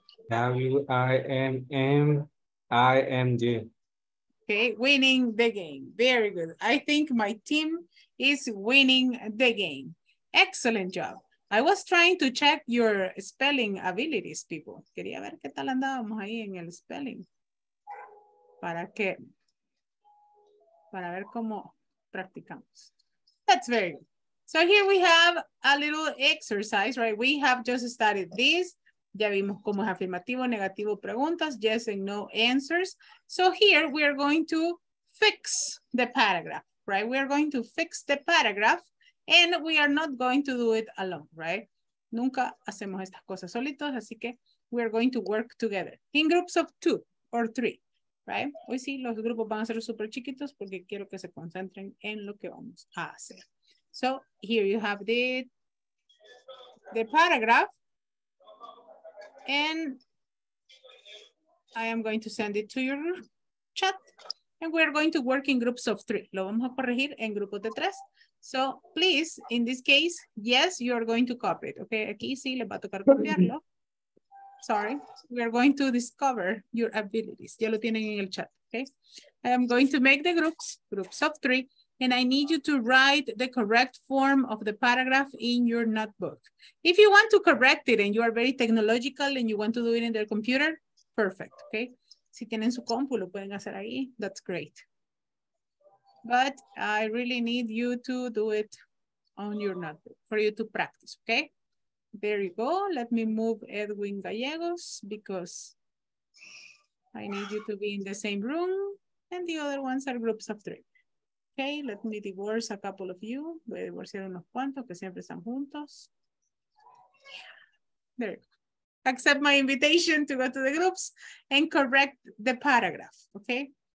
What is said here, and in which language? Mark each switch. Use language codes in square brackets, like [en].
[en] W-I-M-M-I-N-G. Okay, winning the game. Very good. I think my team is winning the game. Excellent job. I was trying to check your spelling abilities, people. [es] Quería ver qué tal andábamos ahí en el spelling. ¿Para qué? Para ver cómo practicamos. [en] That's very good. So here we have a little exercise, right? We have just studied this. [es] Ya vimos cómo es afirmativo, negativo, preguntas, [en] yes and no answers. So here we are going to fix the paragraph, right? We are going to fix the paragraph and we are not going to do it alone, right? [es] Nunca hacemos estas cosas solitos, así que [en] we are going to work together in groups of 2 or 3, right? [es] Hoy sí, los grupos van a ser súper chiquitos porque quiero que se concentren en lo que vamos a hacer. [en] So here you have the paragraph. And I am going to send it to your chat. And we're going to work in groups of 3. [es] Lo vamos a corregir en grupos de 3. [en] So please, in this case, yes, you are going to copy it. [es] Okay, aquí sí, le va a tocar copiarlo. [en] Sorry, we are going to discover your abilities. [es] Ya lo tienen en el chat, [en] okay? I am going to make the groups of 3. And I need you to write the correct form of the paragraph in your notebook. If you want to correct it and you are very technological and you want to do it in their computer, perfect, okay? [es] Si tienen su compu, lo pueden hacer ahí, [en] that's great. But I really need you to do it on your notebook for you to practice, okay? There you go, let me move Edwin Gallegos because I need you to be in the same room and the other ones are groups of 3. Okay, let me divorce a couple of you. [es] Voy a divorciar unos cuantos que siempre están juntos. [en] There you go. Accept my invitation to go to the groups and correct the paragraph, okay?